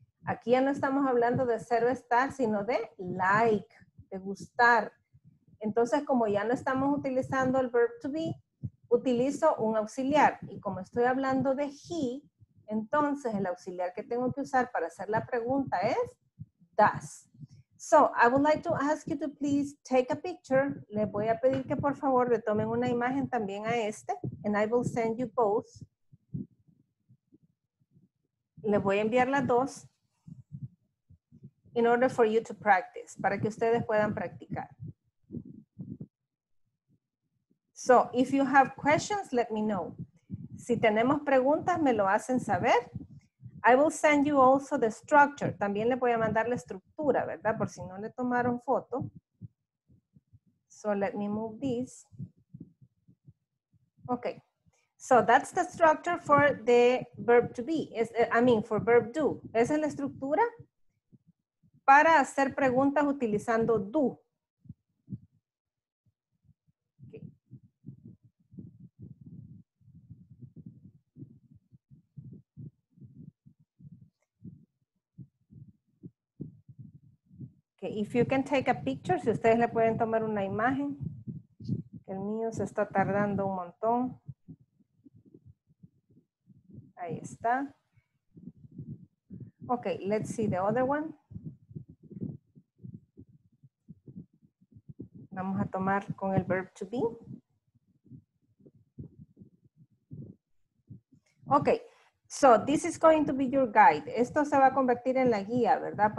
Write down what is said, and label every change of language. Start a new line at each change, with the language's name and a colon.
Spanish: Aquí ya no estamos hablando de ser o estar, sino de like, de gustar. Entonces, como ya no estamos utilizando el verb to be, utilizo un auxiliar. Y como estoy hablando de he, entonces el auxiliar que tengo que usar para hacer la pregunta es does.
English: So, I would like to ask you to please take a picture.
Spanish: Le voy a pedir que por favor le tomen una imagen también a este.
English: And I will send you both.
Spanish: Le voy a enviar las dos.
English: In order for you to practice.
Spanish: Para que ustedes puedan practicar.
English: So, if you have questions, let me know.
Spanish: Si tenemos preguntas, me lo hacen saber.
English: I will send you also the structure.
Spanish: También le voy a mandar la estructura, ¿verdad? Por si no le tomaron foto.
English: So, let me move this. Okay. So, that's the structure for the verb to be. For verb do.
Spanish: Esa es la estructura para hacer preguntas utilizando do.
English: If you can take a picture,
Spanish: si ustedes le pueden tomar una imagen. El mío se está tardando un montón. Ahí está.
English: Okay, let's see the other one.
Spanish: Vamos a tomar con el verb to be.
English: Okay. So, this is going to be your guide.
Spanish: Esto se va a convertir en la guía, ¿verdad?